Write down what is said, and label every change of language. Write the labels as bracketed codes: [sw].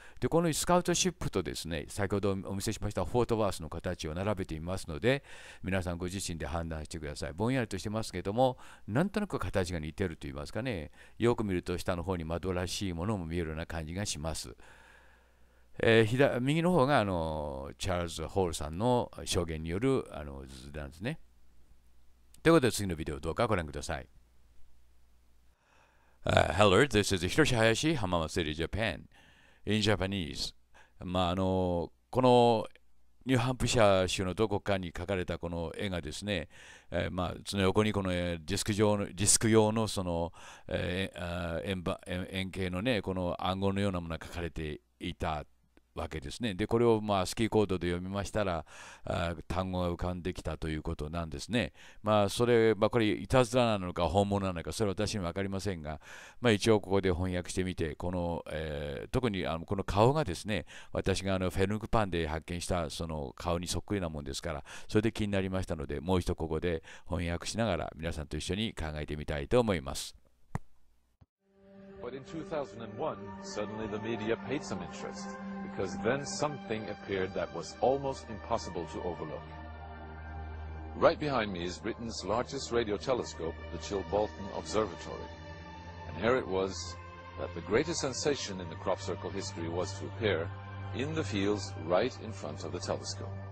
[ja] で、このスカウトシップとですね、先ほどお見せしましたフォートワースの形を並べてみますので、皆さんご自身で判断してください。ぼんやりとしてますけども、なんとなく形が似てると言いますかね、よく見ると下の方に窓らしいものも見えるような感じがします。右の方がチャールズ・ホールさんの証言による図なんですね。ということで、次のビデオをどうかご覧ください。 [en] Hello, this is Hiroshi Hayashi, Hamama City, Japan. In Japanese, [ja] まあ、このニューハンプシャー州のどこかに描かれたこの絵がですね、まあ、その横にこのディスク状の、ディスク用のその、円形のね、この暗号のようなものが描かれていたわけですね。で、これをまあスキーコードで読みましたら、単語が浮かんできたということなんですね。まあ、それ、まあ、これいたずらなのか本物なのか、それは私には分かりませんが、まあ、一応ここで翻訳してみて、この、特にこの顔がですね、私がフェルムクパンで発見したその顔にそっくりなもんですから、それで気になりましたので、もう一度ここで翻訳しながら皆さんと一緒に考えてみたいと思います。 [en] But in 2001, suddenly the media paid some interest, because then something appeared that was almost impossible to overlook. Right behind me is Britain's largest radio telescope, the Chilbolton Observatory. And here it was that the greatest sensation in the crop circle history was to appear in the fields right in front of the telescope.